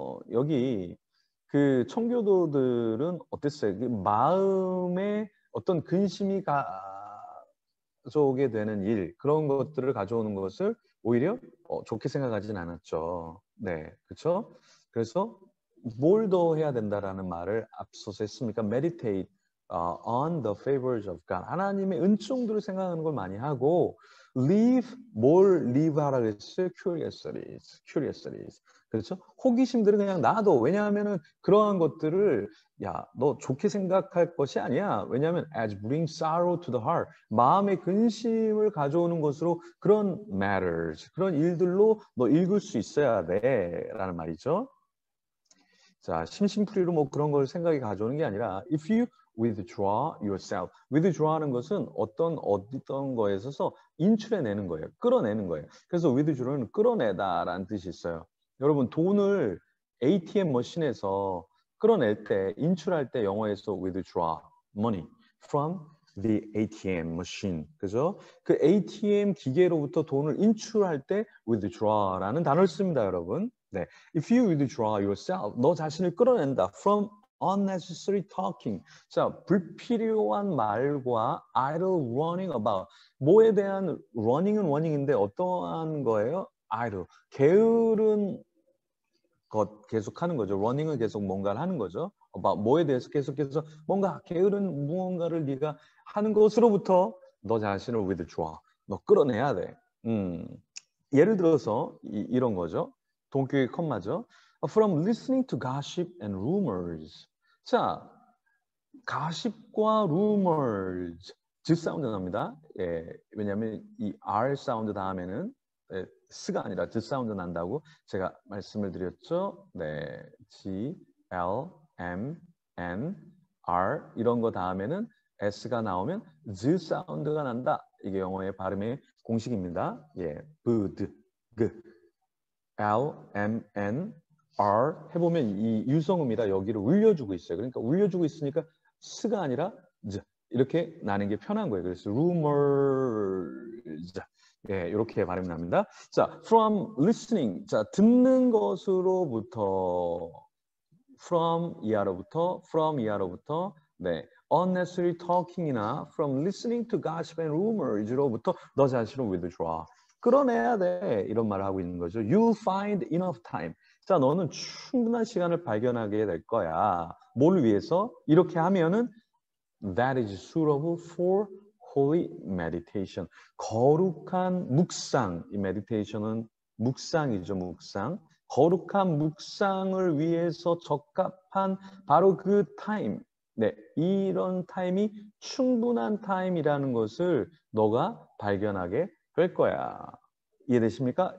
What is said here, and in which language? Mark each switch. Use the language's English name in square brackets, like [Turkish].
[Korean] 여기 그 청교도들은 어땠어요? 마음에 어떤 근심이 가져오게 되는 일 그런 것들을 가져오는 것을 오히려 좋게 생각하지는 않았죠. 네, 그렇죠? 그래서 뭘더 해야 된다라는 말을 앞서서 했습니까? [English] Meditate on the favors of God. [Korean] 하나님의 은총들을 생각하는 걸 많이 하고, leave 뭘 leave 하라고 했어요? Curiosities. 그렇죠? 호기심들은 그냥 놔둬. 왜냐하면은 그러한 것들을 야, 너 좋게 생각할 것이 아니야. 왜냐하면 [English] as bring sorrow to the heart, [Korean] 마음의 근심을 가져오는 것으로 그런 matters, 그런 일들로 너 읽을 수 있어야 돼라는 말이죠. 자, 심심풀이로 뭐 그런 걸 생각이 가져오는 게 아니라 [English] if you withdraw yourself. [Korean] withdraw라는 것은 어떤 거에서서 인출해내는 거예요. 끌어내는 거예요. 그래서 withdraw는 끌어내다라는 뜻이 있어요. 여러분, 돈을 ATM 머신에서 끌어낼 때, 인출할 때 영어에서 [English] withdraw money from the ATM machine. [Korean] 그죠? 그 ATM 기계로부터 돈을 인출할 때 withdraw라는 단어를 씁니다, 여러분. 네. [English] If you withdraw yourself, [Korean] 너 자신을 끌어낸다. [English] From unnecessary talking. [Korean] 자, 불필요한 말과 idle running about. 뭐에 대한 running은 running인데 어떠한 거예요? [English] idle. [Korean] 게으른 것 계속하는 거죠. Running은 계속 뭔가를 하는 거죠. 막 뭐에 대해서 계속해서 뭔가 게으른 무언가를 네가 하는 것으로부터 너 자신을 withdraw. 너 끌어내야 돼. 예를 들어서 이런 거죠. 동격의 콤마죠. [English] From listening to gossip and rumors. [Korean] 자, gossip과 rumors. z 사운드 납니다. 예, 왜냐하면 이 r 사운드 다음에는 예, 스가 아니라 드 사운드 난다고 제가 말씀을 드렸죠. 네, G, L, M, N, R 이런 거 다음에는 S가 나오면 Z 사운드가 난다. 이게 영어의 발음의 공식입니다. 예, 브드, 그, L, M, N, R 해보면 이 유성음이라 여기를 울려주고 있어요. 그러니까 울려주고 있으니까 스가 아니라 Z 이렇게 나는 게 편한 거예요. 그래서 rumors. 예, 이렇게 발음이 납니다. 자, from listening. 자, 듣는 것으로부터, from 이하로부터, 네, unnecessary talking이나 from listening to gossip and rumors로부터 너 자신을 withdraw. 끌어내야 돼. 이런 말을 하고 있는 거죠. [English] You'll find enough time. [Korean] 자, 너는 충분한 시간을 발견하게 될 거야. 뭘 위해서? 이렇게 하면은 [English] that is suitable for Holy meditation, [Korean] 거룩한 묵상. 이 meditation은 묵상이죠, 묵상. 거룩한 묵상을 위해서 적합한 바로 그 타임. 네, 이런 타임이 충분한 타임이라는 것을 너가 발견하게 될 거야. 이해되십니까?